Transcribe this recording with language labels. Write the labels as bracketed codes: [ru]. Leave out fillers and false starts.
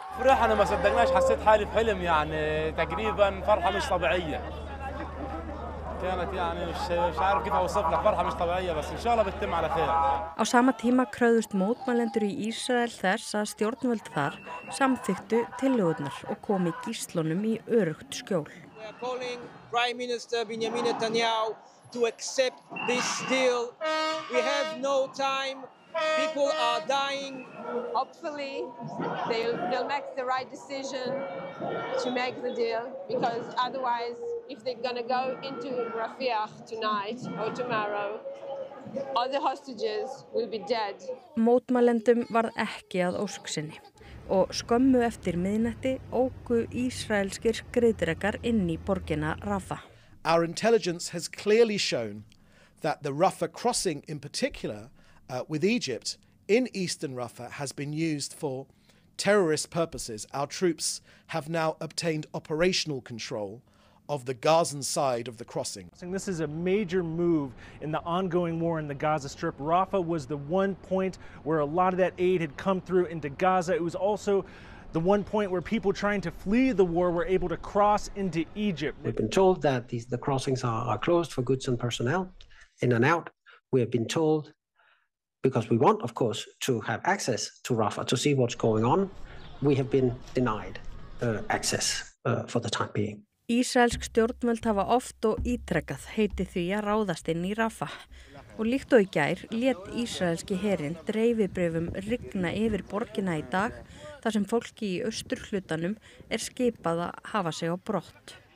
[is] Á sama tíma kröðust mótmælendur í Ísrael þess að stjórnvöld þar samþykktu tillögurnar og komi gíslunum í öruggt skjól. [en] Prime Minister Benjamin Netanyahu to accept this deal. We have no time. People are dying. Hopefully they'll make the right decision to make the deal because otherwise if they're going to go into Rafah tonight or tomorrow all the hostages will be dead. [is] Mótmælendum varð ekki að ósk sinni. Og skömmu eftir miðnætti óku ísraelskir skriðdrekar inn í borgina Rafa. [en] Our intelligence has clearly shown that the Rafa crossing in particular with Egypt in eastern Rafa has been used for terrorist purposes. Our troops have now obtained operational control of the Gazan side of the crossing. So this is a major move in the ongoing war in the Gaza Strip. Rafah was the one point where a lot of that aid had come through into Gaza. It was also the one point where people trying to flee the war were able to cross into Egypt. We've been told that the crossings are closed for goods and personnel in and out. We have been told, because we want, of course, to have access to Rafah to see what's going on, we have been denied access for the time being. [is] Ísraelsk stjórnvöld hafa oft og ítrekkað heiti því að ráðast inn í Rafa. Og líkt og í gær lét ísraelski herinn dreifibréfum rigna yfir borgina í dag þar sem fólki í austurhlutanum er skipað að hafa sig á brott.